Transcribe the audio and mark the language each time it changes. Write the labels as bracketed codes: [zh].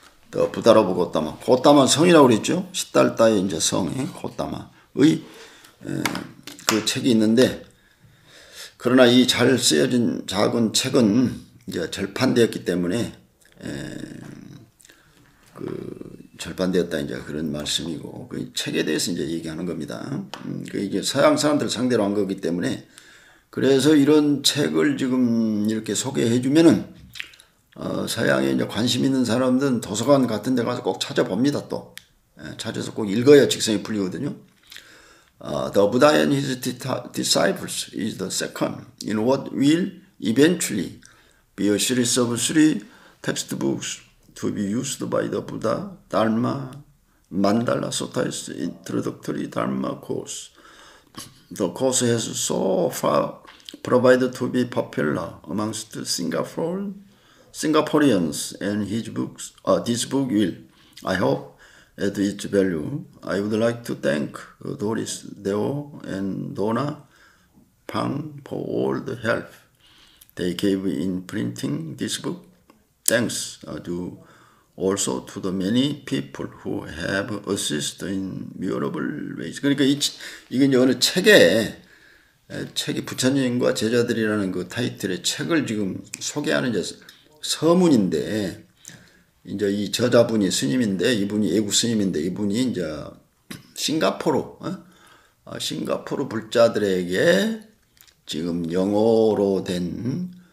[ko] 더 부다라고 고따마. 고따마 성이라고 그랬죠. 싯달따의 이제 성이 고따마의 그 책이 있는데, 그러나 이 잘 쓰여진 작은 책은 이제 절판되었기 때문에 그 절판되었다 이제 그런 말씀이고, 그 책에 대해서 이제 얘기하는 겁니다. 그 이제 서양 사람들 상대로 한 거기 때문에, 그래서 이런 책을 지금 이렇게 소개해 주면은 서양에 이제 관심 있는 사람들은 도서관 같은 데 가서 꼭 찾아봅니다. 또 찾아서 꼭 읽어야 직성이 풀리거든요. [en] The Buddha and his disciples is the second in what will eventually be a series of three textbooks to be used by the Buddha, Dharma, Mandala Sutta's introductory Dharma course. The course has so far provided to be popular amongst Singaporeans, and his books, this book will, I hope, add its value. I would like to thank Doris Deo and Donna Pang for all the help they gave in printing this book. Thanks to also to the many people who have assisted in memorable ways. [ko] 그러니까 이게 이제 어느 책이 부처님과 제자들이라는 그 타이틀의 책을 지금 소개하는 이제 서문인데, 이제 이 저자분이 스님인데, 이분이 애국 스님인데, 이분이 이제 싱가포르 불자들에게 지금 영어로 된